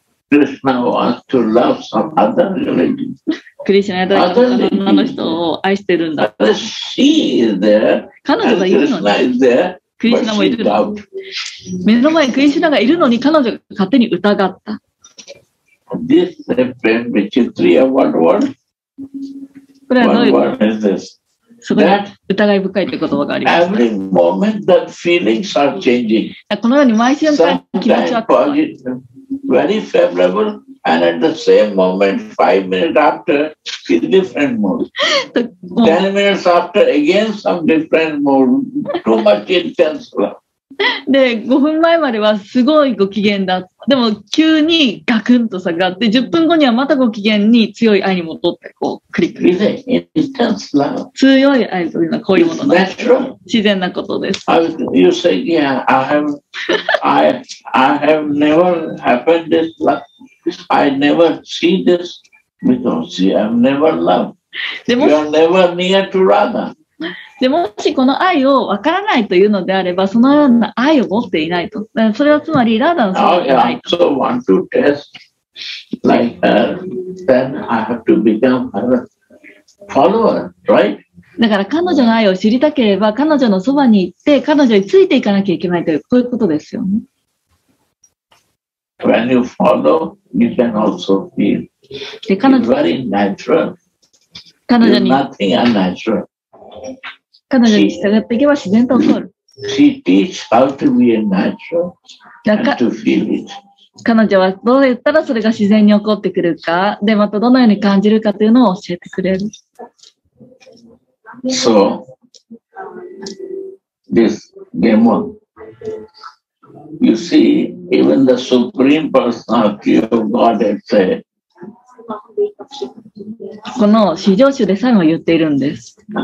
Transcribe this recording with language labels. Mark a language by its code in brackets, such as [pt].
[en] Krishna wants to love some other religion. [ja] クリシュナは誰かの女の人を愛してるんだ [en] she is there, [ja] 彼女がいるのに [en] there, [ja] クリシュナもいる目の前にクリシュナがいるのに彼女が勝手に疑った [en] This is a friend which is three of one word [ja] これはどういうこと [en] is this? [ja] すごい疑い深いという言葉があります、ね。 [en] Every moment the feelings are changing. [ja] このように毎瞬間気持ちは変わる。 [en] Very favorable and at the same moment, 5 minutes after, it's different mood. 10 minutes after, again some different mood. Too much intense love. [ja] で、5分前まではすごいご機嫌だ。でも急にガクンと下がって10分後にはまたご機嫌に強い愛に戻ってこうクリック [en] intense love. [ja] 強い愛というのはこういうものなんです自然なことです [en] You say, yeah, I have never happened this love I never see this because I have never loved You are never near to Radha [ja] でもしこの愛を分からないというのであればそのような愛を持っていないとそれはつまりラーダンさんはない [en] I also want to test like her then I have to become her follower, right? [ja] だから彼女の愛を知りたければ彼女のそばに行って彼女についていかなきゃいけないというこういうことですよね [en] When you follow you can also feel it's very natural [ja] 彼女に [en] nothing unnatural [ja] 彼女に従っていけば自然と起こる。 [en] She teaches how to be a natural and to feel it. [ja] 彼女はどう言ったらそれが自然に起こってくるか、でまたどのように感じるかというのを教えてくれる。 [en] So, this demon, you see, even the supreme personality of God has said, [ja] この至上主でさえも言っているんです。